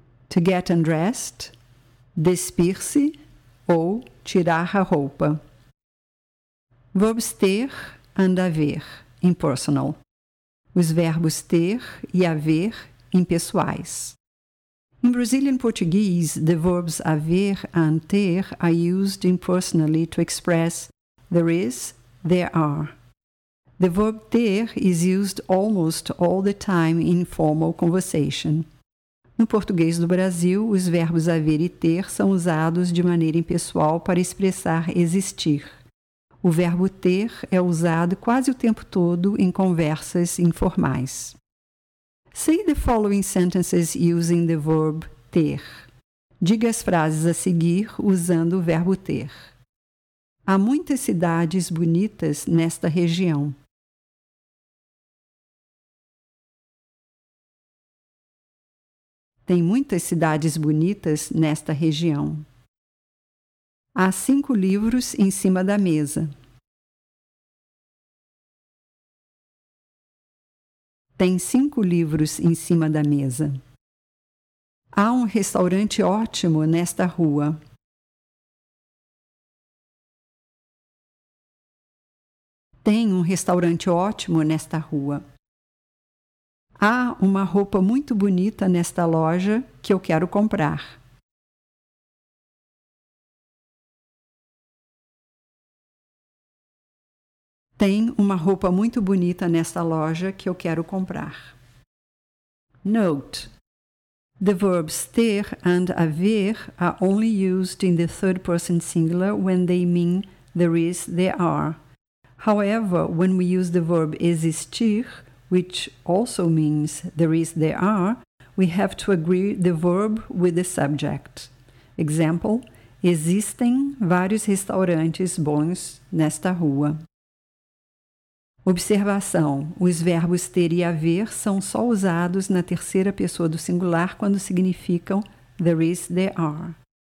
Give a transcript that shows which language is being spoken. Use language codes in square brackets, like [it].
[en] To get undressed, [pt] despir-se ou tirar a roupa. [en] Verbs ter and haver, impersonal. [pt] Os verbos ter e haver, impessoais. [en] In Brazilian Portuguese, the verbs haver and ter are used impersonally to express there is, there are. The verb ter is used almost all the time in formal conversation. [pt] No português do Brasil, os verbos haver e ter são usados de maneira impessoal para expressar existir. O verbo ter é usado quase o tempo todo em conversas informais. [en] Say the following sentences using the verb ter. [pt] Diga as frases a seguir usando o verbo ter. Há muitas cidades bonitas nesta região. Tem muitas cidades bonitas nesta região. Há 5 livros em cima da mesa. Tem 5 livros em cima da mesa. Há um restaurante ótimo nesta rua. Tem um restaurante ótimo nesta rua. Há uma roupa muito bonita nesta loja que eu quero comprar. Tem uma roupa muito bonita nesta loja que eu quero comprar. [en] Note: the verbs ter and haver are only used in the third person singular when they mean there is, there are. However, when we use the verb existir, which also means there is, there are, we have to agree the verb with the subject. Example: [pt] existem vários restaurantes bons nesta rua. Observação: os verbos ter e haver são só usados na terceira pessoa do singular quando significam [en] there is, there are.